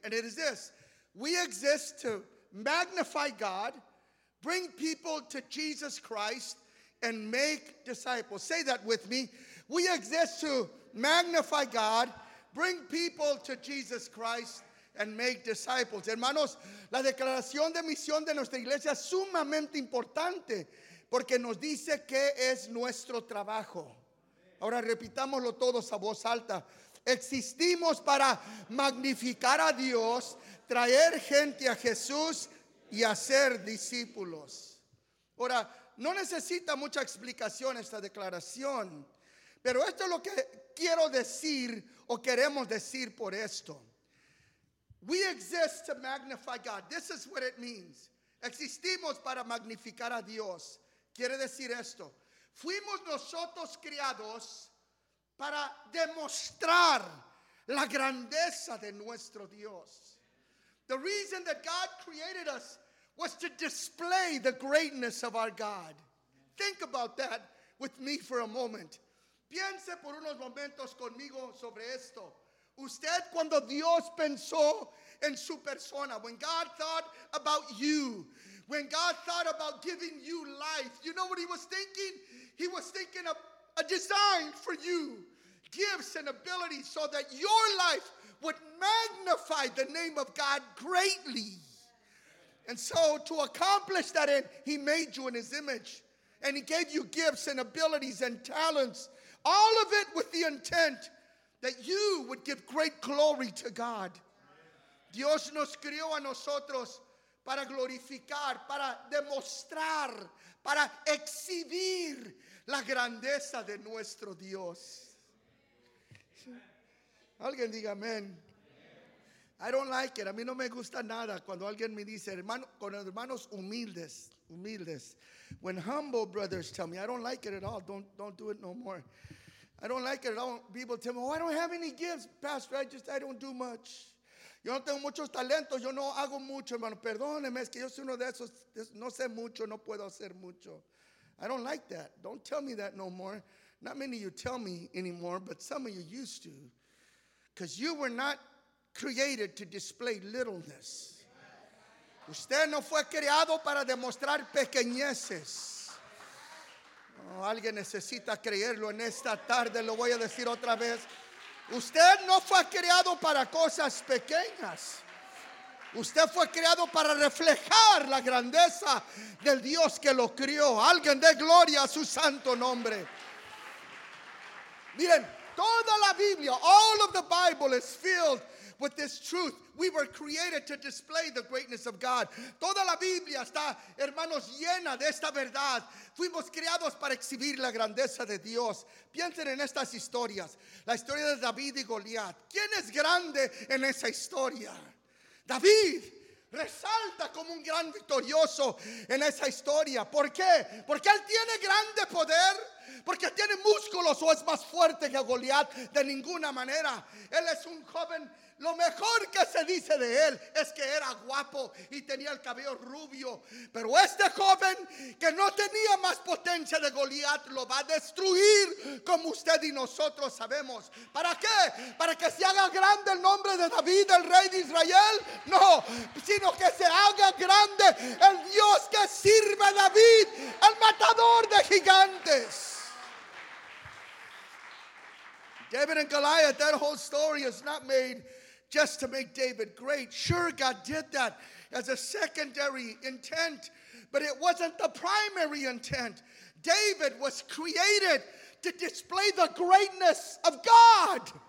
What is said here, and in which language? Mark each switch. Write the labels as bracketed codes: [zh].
[en] And it is this: we exist to magnify God, bring people to Jesus Christ, and make disciples. Say that with me. We exist to magnify God, bring people to Jesus Christ, and make disciples. [es] Hermanos, la declaración de misión de nuestra iglesia es sumamente importante porque nos dice qué es nuestro trabajo. Ahora repitámoslo todos a voz alta. Existimos para magnificar a Dios, traer gente a Jesús y hacer discípulos. Ahora, no necesita mucha explicación esta declaración, pero esto es lo que quiero decir o queremos decir por esto. [en] We exist to magnify God. This is what it means. [es] Existimos para magnificar a Dios. Quiere decir esto. Fuimos nosotros criados para demostrar la grandeza de nuestro Dios. [en] The reason that God created us was to display the greatness of our God. Think about that with me for a moment. [es] Piense por unos momentos conmigo sobre esto. Usted cuando Dios pensó en su persona, [en] when God thought about you, when God thought about giving you life, you know what he was thinking? He was thinking of a design for you, gifts and abilities so that your life would magnify the name of God greatly. And so to accomplish that end, he made you in his image and he gave you gifts and abilities and talents, all of it with the intent that you would give great glory to God. [es] Dios nos crió a nosotros para glorificar, para demostrar, para exhibir la grandeza de nuestro Dios. Alguien diga amén. [en] I don't like it. [es] A mí no me gusta nada cuando alguien me dice, hermano, con hermanos humildes, humildes. [en] When humble brothers tell me, I don't like it at all. Don't do it no more. I don't like it at all. People tell me, oh, I don't have any gifts, Pastor. I don't do much. Yo no tengo muchos talentos, yo no hago mucho, hermano. Perdóneme, es que yo soy uno de esos, no sé mucho, no puedo hacer mucho. I don't like that. Don't tell me that no more. Not many of you tell me anymore, but some of you used to. Because you were not created to display littleness. [es] Usted no fue creado para demostrar pequeñeces. Oh, alguien necesita creerlo en esta tarde, lo voy a decir otra vez. Usted no fue creado para cosas pequeñas. Usted fue creado para reflejar la grandeza del Dios que lo crió. Alguien dé gloria a su santo nombre. Miren, toda la Biblia, [en] all of the Bible is filled with this truth. We were created to display the greatness of God. [es] Toda la Biblia está, hermanos, llena de esta verdad. Fuimos creados para exhibir la grandeza de Dios. Piensen en estas historias. La historia de David y Goliat. ¿Quién es grande en esa historia? David resalta como un gran victorioso en esa historia. ¿Por qué? Porque él tiene grande poder. Porque tiene músculos o es más fuerte que Goliat. De ninguna manera. Él es un joven. Lo mejor que se dice de él es que era guapo y tenía el cabello rubio. Pero este joven que no tenía más potencia de Goliat lo va a destruir, como usted y nosotros sabemos. ¿Para qué? ¿Para que se haga grande el nombre de David, el rey de Israel? No, sino que se haga grande el Dios que sirve a David, el matador de gigantes. [en] David and Goliath, that whole story is not made just to make David great. Sure, God did that as a secondary intent, but it wasn't the primary intent. David was created to display the greatness of God.